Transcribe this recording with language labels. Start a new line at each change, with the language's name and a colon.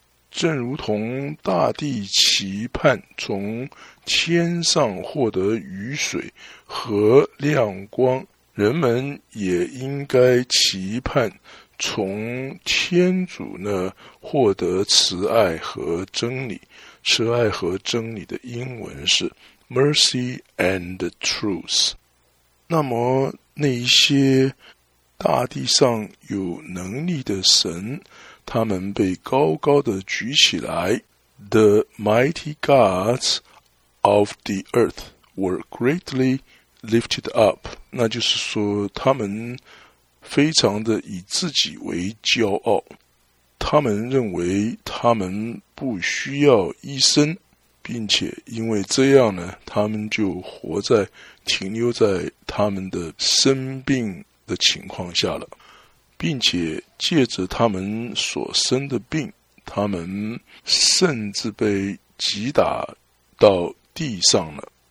Chinese: 正如同大地期盼从天上获得雨水和亮光，人们也应该期盼从天主那获得慈爱和真理。慈爱和真理的英文是
English: Mercy and Truth。
Chinese: 那么那些大地上有能力的神，他们被高高的举起来。
English: The mighty gods of the earth were greatly lifted up。
Chinese: 那就是说他们非常的以自己为骄傲，他们认为他们不需要医生，并且因为这样呢，他们就活在停留在他们的生病的情况下了，并且借着他们所生的病，他们甚至被击打到地上了。